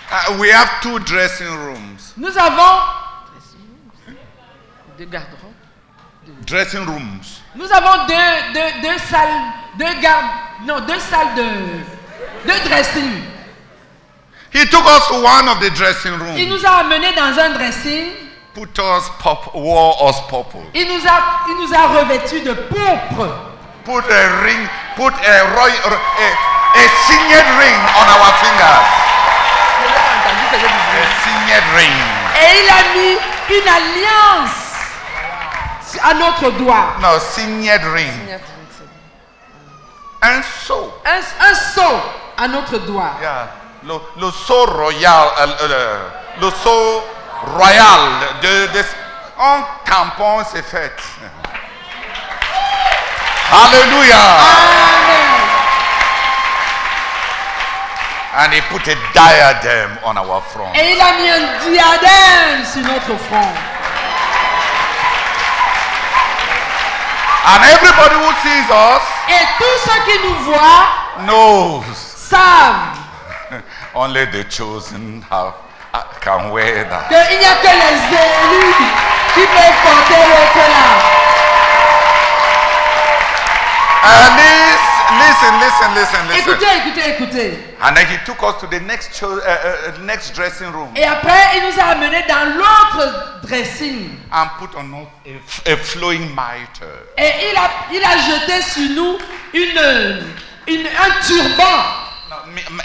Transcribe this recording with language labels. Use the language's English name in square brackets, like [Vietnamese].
[English] Uh, we have two dressing rooms. [French] Nous avons deux garde-robes. [English] Dressing rooms. [French] Nous avons deux salles de garde non deux salles de dressing. [English] He took us to one of the dressing rooms. [French] Il nous a amené dans un dressing. [English] Put us pop, wore us purple. [French] Il nous a revêtu de pourpre. [English] Put a ring, put a royal, a signet ring on our fingers. A signet ring. [French] Et il a mis une alliance à notre doigt. [English] No, signet ring. [French] Un sceau. Un sceau à notre doigt. [English] Yeah. [French] Le sceau royal, le sceau royal de un tampon s'est fait. Alléluia. Amen. [English] And he put a diadem on our front. [French] Et il a mis un diadème sur notre front. [English] And everybody who sees us. [French] Et tous ceux qui nous voient. [English] Knows. [French] Savent. [English] Only the chosen can wear that. [French] Que il n'y a que les élus qui peuvent porter le foulard. [English] And this, listen. [French] Écoutez. [English] And then he took us to the next next dressing room. [French] Et après, il nous a amené dans l'autre dressing. [English] And put on us a flowing mitre. [French] Et il a jeté sur nous un turban.